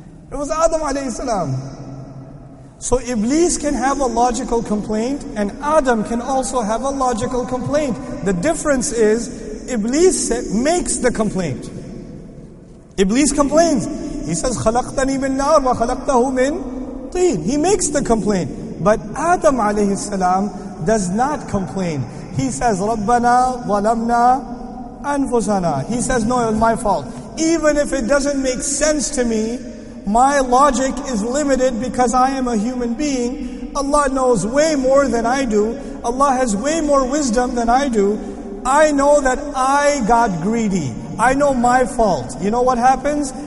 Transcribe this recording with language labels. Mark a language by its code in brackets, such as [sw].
[en] It was Adam alayhi salam. So Iblis can have a logical complaint and Adam can also have a logical complaint. The difference is Iblis makes the complaint. Iblis complains. He says, [ar] خَلَقْتَنِي مِنْ نَارِ وَخَلَقْتَهُ مِنْ طِينَ. [en] He makes the complaint. But Adam alayhi salam does not complain. He says, [ar] رَبَّنَا ظَلَمْنَا أَنفُسَنَا. [en] He says, no, it's my fault. Even if it doesn't make sense to me, my logic is limited because I am a human being. Allah knows way more than I do. Allah has way more wisdom than I do. I know that I got greedy. I know my fault. You know what happens?